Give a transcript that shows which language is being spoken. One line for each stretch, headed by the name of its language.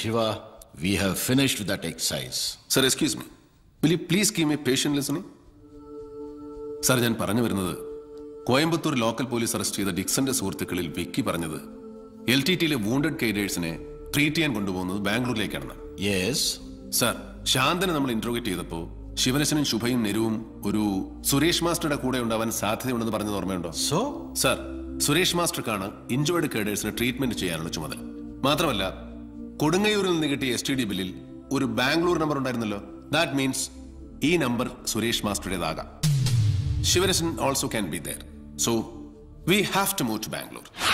English: Shiva, we have finished with that exercise. Sir, excuse me. Will you please give me patient listening?
Malayalam: Sir, njan paranju varunathu Coimbatore local police arrest ചെയ്ത ഡിക്സന്റെ സുഹൃത്തുക്കളിൽ വിക്കി പറഞ്ഞത് L T ടിയിലെ wounded കെയ്ഡേഴ്സിനെ treat ചെയ്യാൻ കൊണ്ടുപോകുന്നത് ബാംഗ്ലൂരിലേക്കാണ്.
English: Yes.
Malayalam: Sir, ശാന്തനെ നമ്മൾ interview ചെയ്തപ്പോ ശിവരശനും ശുഭയും നെരുവും ഒരു സുരേഷ് മാസ്റ്ററുടെ കൂടെ ഉണ്ടാവാൻ സാധ്യതയുണ്ടെന്ന് പറഞ്ഞത് ഓർമ്മയുണ്ടോ?
English: so
Malayalam: സർ, സുരേഷ് മാസ്റ്റർക്കാണ് ഇഞ്ചോയ്ഡ് കെയ്ഡേഴ്സിന് ട്രീറ്റ്മെന്റ് ചെയ്യാനുള്ള ചുമതല. മാത്രമല്ല, കൊടുങ്ങയൂരിൽ നിന്ന് കിട്ടിയ എസ് ടി ഡി ബില്ലിൽ ഒരു ബാംഗ്ലൂർ നമ്പർ ഉണ്ടായിരുന്നല്ലോ.
English: that means
Malayalam: ഈ number Suresh മാസ്റ്ററുടേതാകാം.
English: Sivarasan also can be there. So, we have to move to Bangalore.